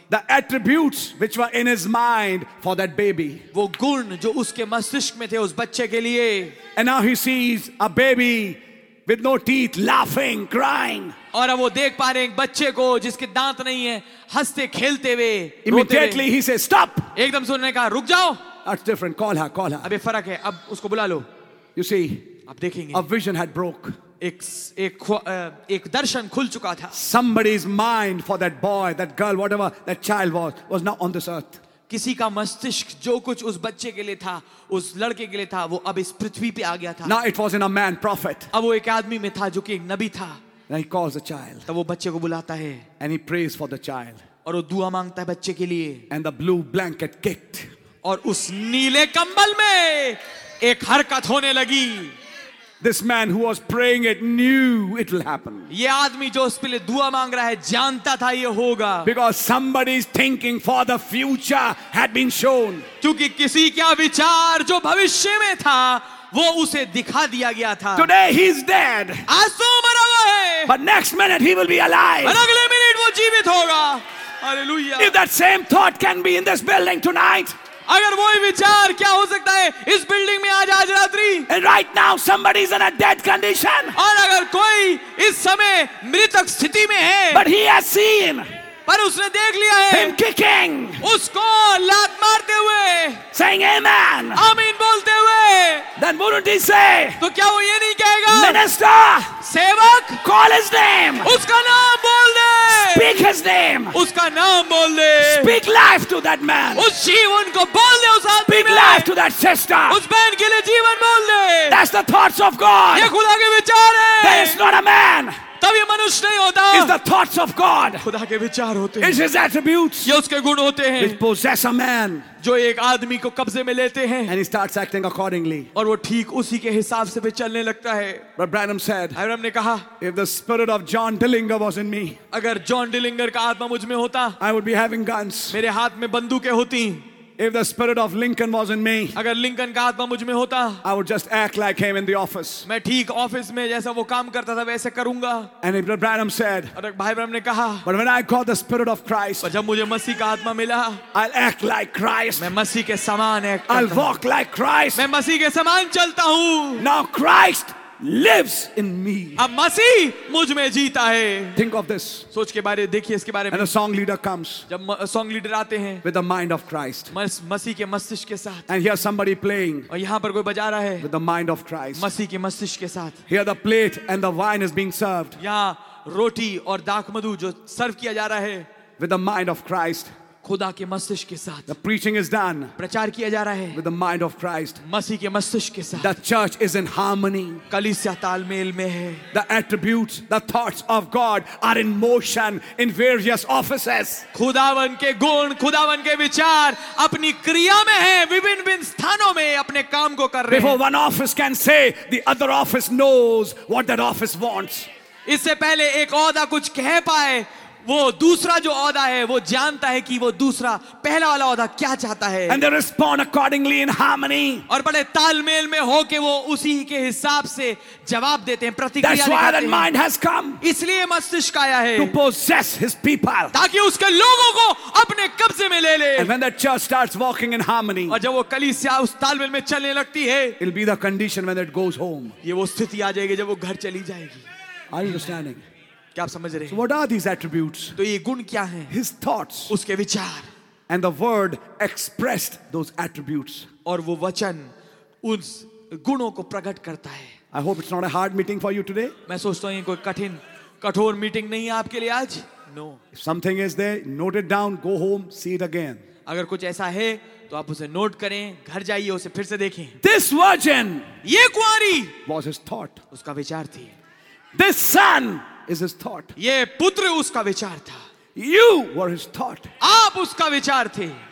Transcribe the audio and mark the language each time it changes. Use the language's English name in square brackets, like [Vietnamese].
[English] The attributes which were in his mind for that baby. [Hindi] वो गुण जो उसके मस्तिष्क में थे उस बच्चे के लिए. [English] And now he sees a baby with no teeth, laughing, crying. [Hindi] और अब वो देख पा रहे हैं एक बच्चे को जिसके दांत नहीं है, हंसते खेलते हुए. [English] Immediately he says, stop. [Hindi] एकदम से उन्होंने कहा रुक जाओ. [English] That's different. Call her. [Hindi] अब ये फर्क है. अब उसको बुला लो. [English] You see. [Hindi] अब देखेंगे. [English] A vision had broke. [Hindi] एक दर्शन खुल चुका था. [English] Somebody's mind for that boy, that girl, whatever that child was now on this earth. [Hindi] किसी का मस्तिष्क जो कुछ उस बच्चे के लिए था, उस लड़के के लिए था, वो अब इस पृथ्वी पे आ गया था. [English] Now it was in a man, prophet. [Hindi] अब वो एक आदमी में था जो कि एक नबी था. [English] And he calls the child. [Hindi] तब वो बच्चे को बुलाता है. [English] And he prays for the child. [Hindi] और वो दुआ मांगता है बच्चे के लिए. [English] And the blue blanket kicked. [Hindi] और उस नीले कंबल में एक हरकत होने लगी. [English] This man who was praying it knew it will happen. [Hindi] ये आदमी जो उस पे ले दुआ मांग रहा है जानता था ये होगा. [English] Because somebody's thinking for the future had been shown. [Hindi] क्योंकि किसी का विचार जो भविष्य में था वो उसे दिखा दिया गया था. [English] Today he's dead. [Hindi] आज तो मरा हुआ है. [English] But next minute he will be alive. [Hindi] और अगले मिनट वो जीवित होगा. [English] Hallelujah. If that same thought can be in this building tonight. [Hindi] अगर वो ही विचार क्या हो सकता है इस बिल्डिंग में आज रात्रि. [English] And right now somebody is in a dead condition. [Hindi] और अगर कोई इस समय मृतक स्थिति में है. [English] But he has seen. [Hindi] पर उसने देख लिया है. [English] Him kicking. [Hindi] उसको लात मारते हुए. [English] Saying amen. [Hindi] आमीन बोलते हुए. [English] Then wouldn't he say? [Hindi] तो क्या वो ये नहीं कहेगा? [English] Minister. [Hindi] सेवक. [English] Call his name. [Hindi] उसका नाम बोल दे. [English] Speak his name. [Hindi] उसका नाम बोल दे. [English] Speak life to that man. [Hindi] उस जीवन को बोल दे उस आदमी. [English] Speak life to that sister. [Hindi] उस बहन के लिए जीवन बोल दे. [English] That's the thoughts of God. [Hindi] ये खुदा के विचार है. [English] That is not a man. [Hindi] तब ये मनुष्य नहीं होता. [English] It's the thoughts of God. [Hindi] खुदा के विचार होते हैं. [English] It's his attributes. [Hindi] ये उसके गुण होते हैं. [English] Which possess a man. [Hindi] जो एक आदमी को कब्जे में लेते हैं. [English] And he starts acting accordingly. [Hindi] और वो ठीक उसी के हिसाब से भी चलने लगता है. [English] But Branham said. [Hindi] Branham ने कहा. [English] If the spirit of John Dillinger was in me. [Hindi] अगर जॉन डिलिंगर का आत्मा मुझ में होता. [English] I would be having guns. [Hindi] मेरे हाथ में बंदूकें होती. [English] If the spirit of Lincoln was in me, [Hindi] अगर लिंकन का आत्मा मुझ में होता, [English] I would just act like him in the office. [Hindi] मैं ठीक ऑफिस में जैसा वो काम करता था वैसे करूंगा. [English] And if Branham said, [Hindi] और भाई ब्रैनम ने कहा, [English] but when I caught the spirit of Christ, [Hindi] जब मुझे मसीह का आत्मा मिला, [English] I'll act like Christ. [Hindi] मैं मसीह के समान एक्ट करता. [English] I'll walk like Christ. [Hindi] मैं मसीह के समान चलता हूँ. [English] Now Christ lives in me. [Hindi] अब मसीह मुझ में जीता है. [English] Think of this. [Hindi] सोच के बारे देखिए इसके बारे में. [English] And a song leader comes. [Hindi] जब song leader आते हैं. [English] With the mind of Christ. [Hindi] मसीह के मस्तिष्क के साथ. [English] And here somebody playing. [Hindi] और यहाँ पर कोई बजा रहा है. [English] With the mind of Christ. [Hindi] मसीह के मस्तिष्क के साथ. [English] Here the plate and the wine is being served. [Hindi] यहाँ रोटी और दाखमधु जो सर्व किया जा रहा है. [English] With the mind of Christ. [Hindi] खुदा के मस्तिष्क के साथ. [English] The preaching is done. [Hindi] प्रचार किया जा रहा है. [English] With the mind of Christ. [Hindi] मसीह के मस्तिष्क के साथ. [English] The church is in harmony. [Hindi] कलीसिया तालमेल में है. [English] The attributes, the thoughts of God are in motion in various offices. [Hindi] खुदावन के गुण, खुदावन के विचार अपनी क्रिया में है, विभिन्न विभिन्न स्थानों में अपने काम को कर रहे हैं. [English] Before one office can say, the other office knows what that office wants. [Hindi] इससे पहले एक औदा कुछ कह पाए, वो दूसरा जो औदा है वो जानता है कि वो दूसरा पहला वाला औदा क्या चाहता है. [English] And they respond accordingly in harmony. [Hindi] और बड़े तालमेल में हो के वो उसी के हिसाब से जवाब देते हैं, प्रतिक्रिया देते हैं. [English] That's why that mind has come. [Hindi] इसलिए मस्तिष्क आया है. [English] To possess his people. [Hindi] ताकि उसके लोगों को अपने कब्जे में ले ले. [English] And when the church starts walking in harmony. [Hindi] और जब वो कलीसिया उस तालमेल में चलने लगती है. [English] It'll be the condition when it goes home. [Hindi] ये वो स्थिति आ जाएगी जब वो घर चली जाएगी. [English] Are you understanding? [Hindi] क्या आप समझ रहे हैं? [English] So what are these attributes? [Hindi] तो ये गुण क्या हैं? [English] His thoughts. [Hindi] उसके विचार. [English] And the word expressed those attributes. [Hindi] और वो वचन उस गुणों को प्रकट करता है. [English] I hope it's not a hard meeting for you today. [Hindi] मैं सोचता हूँ ये कोई कठिन, कठोर मीटिंग नहीं है आपके लिए आज. [English] No. If something is there, note it down, go home, see it again. [Hindi] अगर कुछ ऐसा है, तो आप उसे नोट करें, घर जाइए उसे फिर से देखें. [English] This virgin. [Hindi] ये कुंवारी. [English] Was his thought. [Hindi] उसका विचार थी. [English] This son. Is his thought. [Hindi] ये पुत्र उसका विचार था. [English] You were his thought. [Hindi] आप उसका विचार थे.